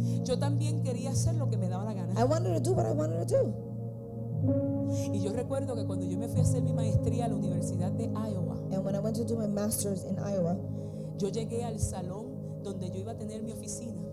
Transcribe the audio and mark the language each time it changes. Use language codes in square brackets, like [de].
[es] yo también quería hacer lo que me daba la gana. [en] I wanted to do what I wanted to do. [es] Y yo recuerdo que cuando yo me fui a hacer mi maestría a la Universidad de Iowa, [en] and when I went to do my master's in Iowa, [es] yo llegué al salón donde yo iba a tener mi oficina.